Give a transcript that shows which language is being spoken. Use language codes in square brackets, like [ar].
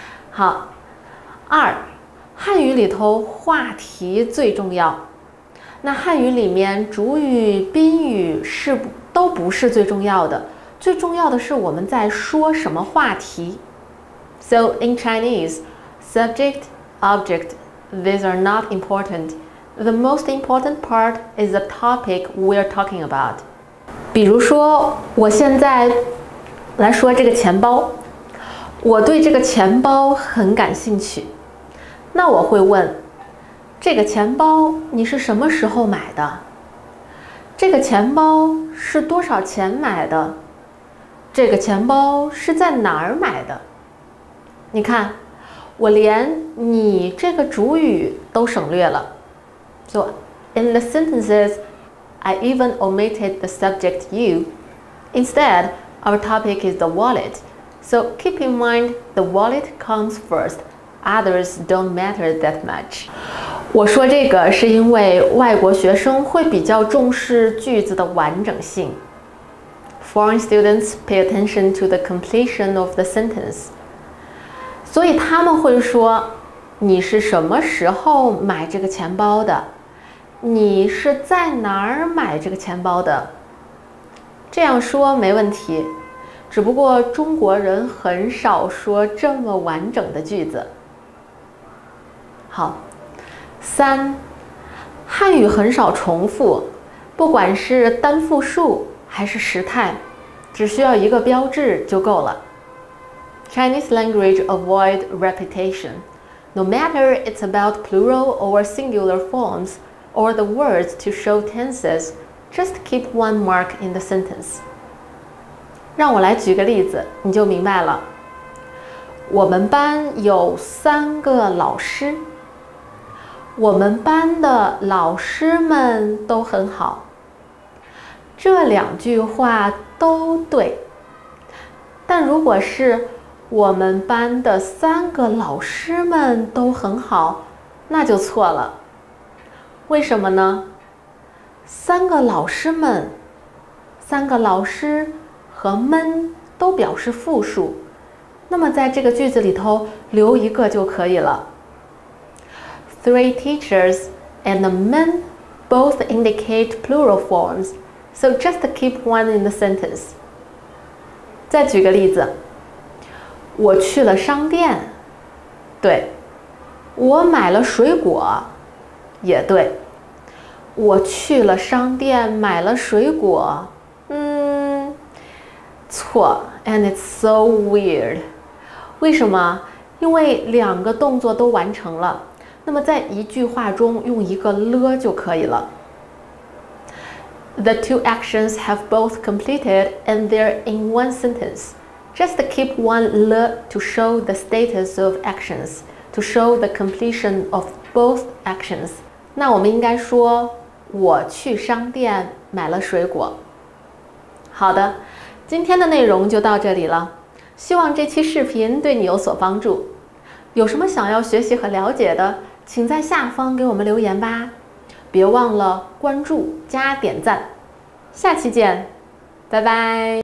[zh] 好，二，汉语里头话题最重要。那汉语里面主语宾语是都不是最重要的，最重要的是我们在说什么话题。 [en] So in Chinese, subject, object, these are not importantThe most important part is the topic we are talking about. [zh] 比如说，我现在来说这个钱包，我对这个钱包很感兴趣。那我会问，这个钱包你是什么时候买的？这个钱包是多少钱买的？这个钱包是在哪儿买的？你看，我连你这个主语都省略了。 [en] So, in the sentences, I even omitted the subject you. Instead, our topic is the wallet. So, keep in mind, the wallet comes first. Others don't matter that much. [zh] 我说这个是因为外国学生会比较重视句子的完整性。 [en] Foreign students pay attention to the completion of the sentence. [zh] 所以他们会说，你是什么时候买这个钱包的？你是在哪儿买这个钱包的？这样说没问题，只不过中国人很少说这么完整的句子。好，三，汉语很少重复，不管是单复数还是时态，只需要一个标志就够了。 [en] Chinese language avoid repetition. No matter it's about plural or singular formsor the words to show tenses, just keep one mark in the sentence. [zh] 让我来举个例子，你就明白了。我们班有三个老师。我们班的老师们都很好。这两句话都对。但如果是我们班的三个老师们都很好，那就错了。为什么呢？三个老师们，三个老师和们都表示复数，那么在这个句子里头留一个就可以了。 [en] Three teachers and the men both indicate plural forms, so just keep one in the sentence. [zh] 再举个例子，我去了商店，对，我买了水果，也对，我去了商店买了水果，错 ， [en] and it's so weird. [zh] 为什么？因为两个动作都完成了，那么在一句话中用一个了就可以了。 [en] The two actions have both completed and they're in one sentence. Just keep one了 to show the status of actions, to show the completion of both actions. [zh] 那我们应该说，我去商店买了水果。好的，今天的内容就到这里了，希望这期视频对你有所帮助。有什么想要学习和了解的，请在下方给我们留言吧，别忘了关注加点赞，下期见，拜拜。